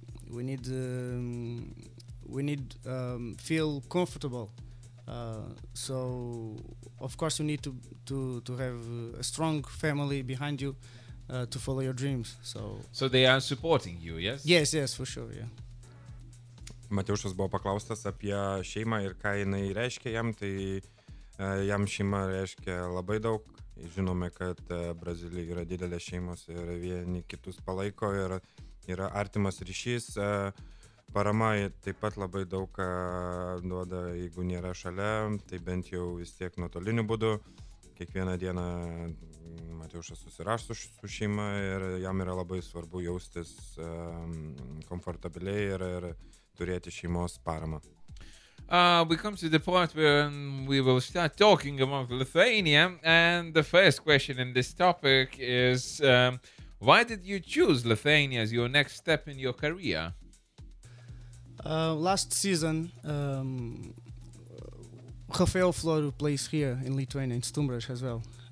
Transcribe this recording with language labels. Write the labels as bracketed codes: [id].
[en] We need feel comfortable. So of course you need to have a strong family behind you to follow your dreams. So they are supporting you, yes? Yes, yes, for sure, yeah. [lt] Mateušas buvo paklaustas apie šeimą ir ką jinai reiškia jam, tai jam šeima reiškia labai daug, žinome, kad Brazilijoje yra didelės šeimos ir vieni kitus palaiko ir yra artimas ryšys. Parama taip pat labai daug duoda, jeigu nėra šalia, tai bent jau vis tiek nuotoliniu būdu. Kiekvieną dieną Mateušas susirašo su šeima ir jam yra labai svarbu jaustis komfortabiliai ir turėti šeimos paramą. [en] We come to the point where we will start talking about Lithuania, and the first question in this topic is, why did you choose Lithuania as your next step in your career? Last season, Rafael Floro plays here in Lithuania, in Stumbras as well.